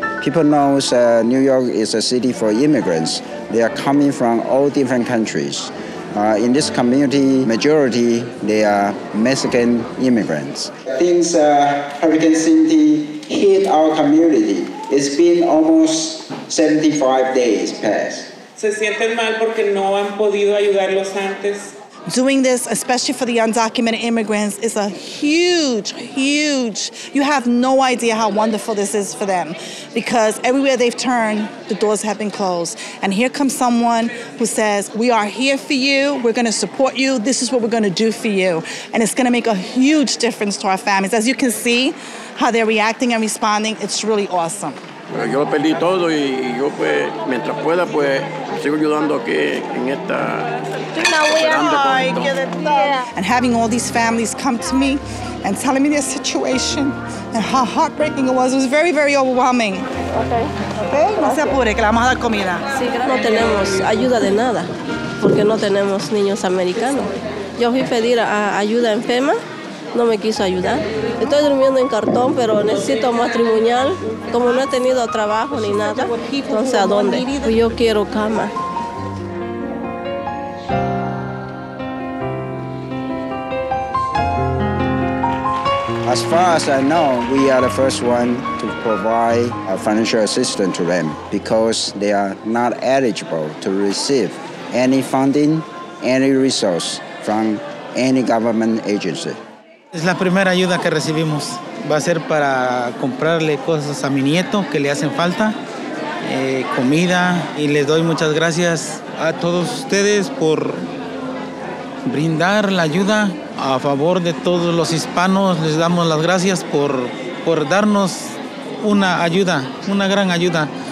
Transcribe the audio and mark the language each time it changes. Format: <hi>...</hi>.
<en>People know New York is a city for immigrants. They are coming from all different countries. In this community, majority, they are Mexican immigrants. Since Hurricane Sandy hit our community, it's been almost 75 days past.</en> <es>Se sienten mal porque no han podido ayudarlos antes.</es> <en>Doing this, especially for the undocumented immigrants, is a huge, huge, you have no idea how wonderful this is for them. Because everywhere they've turned, the doors have been closed. And here comes someone who says, we are here for you, we're going to support you, this is what we're going to do for you. And it's going to make a huge difference to our families. As you can see, how they're reacting and responding, it's really awesome.</en> <es>Pero yo perdí todo y yo pues mientras pueda pues sigo ayudando aquí en esta</es> <en>And having all these families come to me and telling me their situation and how heartbreaking it was very, very overwhelming. Okay. Okay.</en> <es>No se apure, que le vamos a dar comida. No tenemos ayuda de nada porque no tenemos niños americanos. Yo fui a pedir ayuda en FEMA. No me quiso ayudar. Estoy durmiendo en cartón, pero necesito matrimonial. Como no he tenido trabajo ni nada, entonces ¿a dónde? Pues yo quiero cama.</es> <en>As far as I know, we are the first one to provide financial assistance to them because they are not eligible to receive any funding, any resource from any government agency.</en> <es>Es la primera ayuda que recibimos. Va a ser para comprarle cosas a mi nieto que le hacen falta, comida. Y les doy muchas gracias a todos ustedes por brindar la ayuda a favor de todos los hispanos. Les damos las gracias por darnos una ayuda, una gran ayuda.</es>